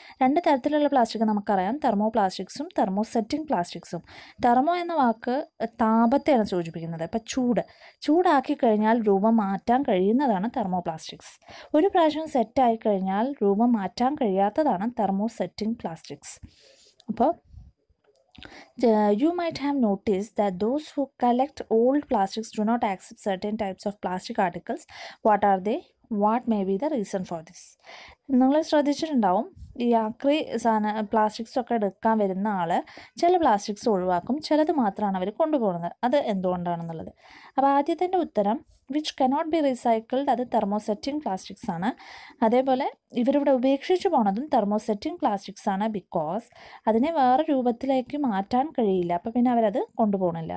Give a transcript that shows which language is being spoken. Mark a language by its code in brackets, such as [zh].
[ml] രണ്ട് തരത്തിലുള്ള പ്ലാസ്റ്റിക് നമുക്കറിയാം, തെർമോപ്ലാസ്റ്റിക്സും തെർമോസെറ്റിംഗ് പ്ലാസ്റ്റിക്സും. തെർമോ എന്ന വാക്ക് താപത്തെയാണ് സൂചിപ്പിക്കുന്നത്. ഇപ്പം ചൂട്, ചൂടാക്കി കഴിഞ്ഞാൽ രൂപം മാറ്റാൻ കഴിയുന്നതാണ് തെർമോപ്ലാസ്റ്റിക്സ്. ഒരു പ്രാവശ്യം സെറ്റായി കഴിഞ്ഞാൽ രൂപം മാറ്റാൻ കഴിയാത്തതാണ് തെർമോസെറ്റിംഗ് പ്ലാസ്റ്റിക്സ്. അപ്പോൾ [en] You might have noticed that those who collect old plastics do not accept certain types of plastic articles. What are they? What may be the reason for this? [ml] നിങ്ങൾ ശ്രദ്ധിച്ചിട്ടുണ്ടാവും, ഈ ആക്രി സാധന പ്ലാസ്റ്റിക്സൊക്കെ എടുക്കാൻ വരുന്ന ആൾ ചില പ്ലാസ്റ്റിക്സ് ഒഴിവാക്കും, ചിലത് മാത്രമാണ് അവർ കൊണ്ടുപോകുന്നത്. അത് എന്തുകൊണ്ടാണെന്നുള്ളത്. അപ്പോൾ ആദ്യത്തിൻ്റെ ഉത്തരം, [en] which cannot be recycled, [ml] അത് തെർമോസെറ്റിംഗ് പ്ലാസ്റ്റിക്സ് ആണ്. അതേപോലെ ഇവരിവിടെ ഉപേക്ഷിച്ചു പോണതും തെർമോസെറ്റിംഗ് പ്ലാസ്റ്റിക്സ് ആണ്, ബിക്കോസ് അതിനെ വേറെ രൂപത്തിലേക്ക് മാറ്റാൻ കഴിയില്ല, അപ്പോൾ പിന്നെ അവരത് കൊണ്ടുപോകണില്ല.